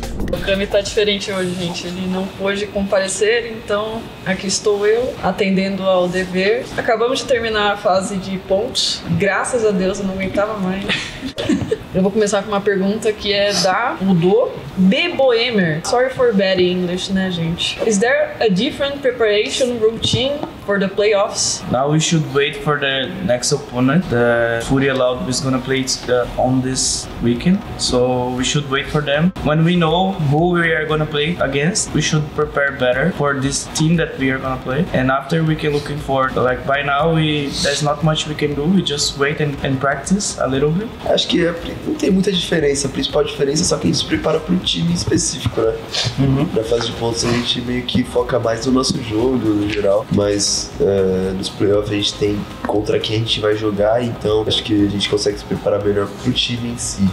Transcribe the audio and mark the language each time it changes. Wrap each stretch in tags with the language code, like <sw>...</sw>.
<pt>O Cami tá diferente hoje, gente. Ele não pôde comparecer, então aqui estou eu, atendendo ao dever. Acabamos de terminar a fase de pontos. Graças a Deus, eu não aguentava mais. Eu vou começar com uma pergunta que é da Udo Beboemer.</pt> <en>Sorry for bad English,</en> <pt>né, gente?</pt> <en>Is there a different preparation routine for the playoffs? Now we should wait for the next opponent. The Fúria Loud is gonna play on this weekend. So we should wait for them. When we know who we are gonna play against, we should prepare better for this team that we are gonna play. And after we can looking for, like by now, there's not much we can do. We just wait and practice a little bit.</en> <pt>Acho que não tem muita diferença. A principal diferença é só que a gente se prepara para um time específico, né? Na fase de pontos a gente meio que foca mais no nosso jogo, no geral. Mas nos playoffs a gente tem contra quem a gente vai jogar. Então acho que a gente consegue se preparar melhor pro time em si.</pt>